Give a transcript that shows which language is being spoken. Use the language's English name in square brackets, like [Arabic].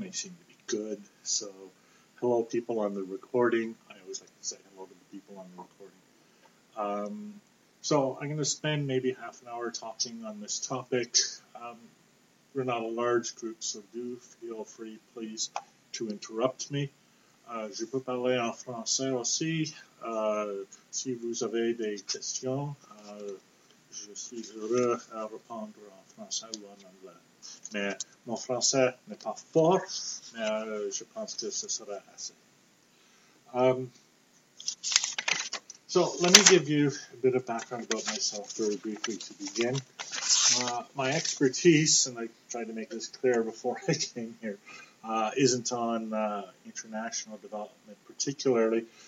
[English] They seem to be good. So hello, people on the recording. I always like to say hello to the people on the recording. So I'm going to spend maybe half an hour talking on this topic. We're not a large group, so do feel free, please, to interrupt me. [French] Je peux parler en français aussi. Si vous avez des questions, je suis heureux à répondre en français ou en anglais. Mais mon français n'est pas fort, mais je pense que ce sera assez. [English] So let me give you a bit of background about myself very briefly to begin. My expertise, and I tried to make this clear before I came here, isn't on international development particularly.